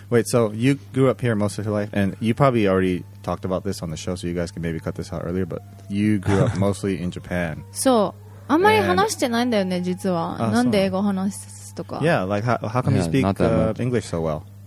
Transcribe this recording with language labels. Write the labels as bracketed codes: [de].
[en] Wait, so you grew up here most of your life, and you probably already talked about this on the show, so you guys can maybe cut this out earlier, but you grew up mostly in Japan. [ja] So, あんまり話してないんだよね、実は。なんで英語話すとか。 [en] Yeah, like how come you speak English so well?